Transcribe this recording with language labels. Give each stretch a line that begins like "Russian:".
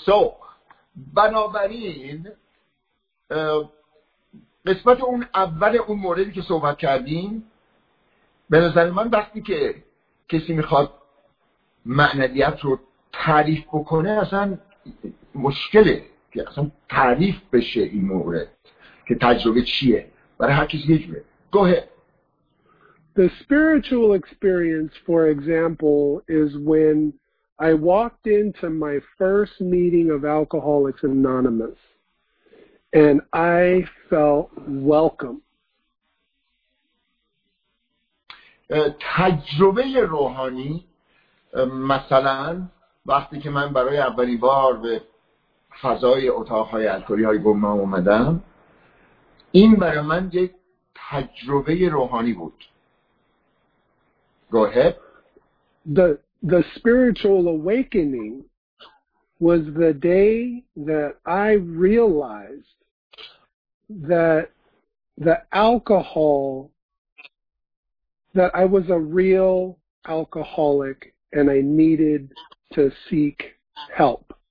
Persian: So, بنابراین قسمت اون اول اون موردی که صحبت کردیم به نظر من وقتی که کسی میخواد معنویت رو تعریف بکنه اصلا مشکله که اصلا تعریف بشه این مورد که تجربه چیه برای هر کسی نجوره. Go ahead.
English: The spiritual experience, for example, is when I walked into my first meeting of Alcoholics Anonymous and I felt welcome.
Persian: تجربه روحانی مثلا وقتی که من برای اولین بار به فضای اتاق‌های الکلی‌های گمنام اومدم این برای من یک تجربه روحانی بود.
English: Go ahead. The spiritual awakening was the day that I realized that the alcohol, that I was a real alcoholic and I needed to seek help.